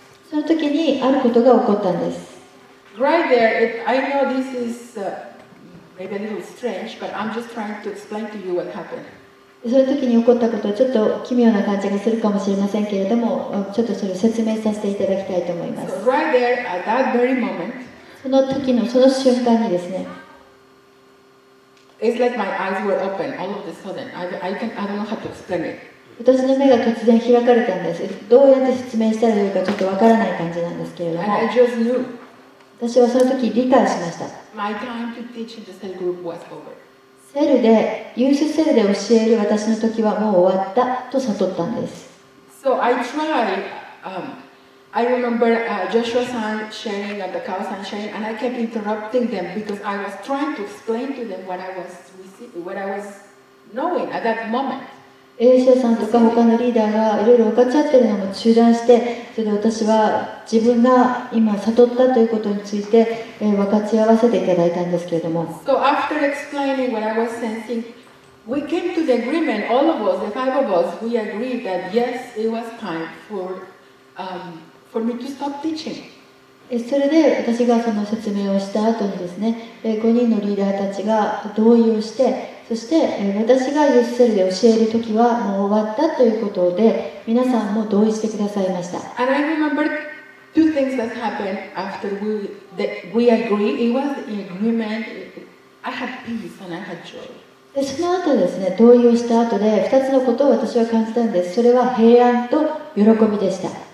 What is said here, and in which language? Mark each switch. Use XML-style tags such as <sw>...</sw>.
<ja>その時にあることが起こったんです。</ja> <en>Right there, I know this is maybe a little strange, but I'm just trying to explain to you what happened.</en> <ja>その時に起こったことはちょっと奇妙な感じがするかもしれませんけれども、ちょっとそれを説明させていただきたいと思います。</ja> <en>So right there, at that very moment,</en> <ja>その時のその瞬間にですね、私の目が突然開かれたんです。どうやって説明したらいいかちょっとわからない感じなんですけれども、</ja> <en>And I just knew.</en> <ja>私はその時理解しました。</ja> <en>My time to teach the cell group was over.</en> <ja>セルで、ユースセルで教える私の時はもう終わったと悟ったんです。</ja> <en>So I tried, I remember Joshua San sharing and the Kao San sharing, and I kept interrupting them because I was trying to explain to them what I was receiving, what I was knowing at that moment.</en> <ja>エイシャさんとか他のリーダーがいろいろ分かっちゃってるのも中断して、それで私は自分が今悟ったということについて、分かち合わせていただいたんですけれども。</ja> <en>So after explaining what I was sensing, we came to the agreement, all of us, the five of us, we agreed that yes, it was time for me to stop teaching.</en> <ja>それで私がその説明をした後にですね、5人のリーダーたちが同意をして、そして私がユースセルで教える時はもう終わったということで皆さんも同意してくださいました。</ja> <en>And I remember two things that happened after we agreed. It was the agreement. I had peace and I had joy.</en> <ja>でその後ですね、同意をした後で2つのことを私は感じたんです。それは平安と喜びでした。</ja>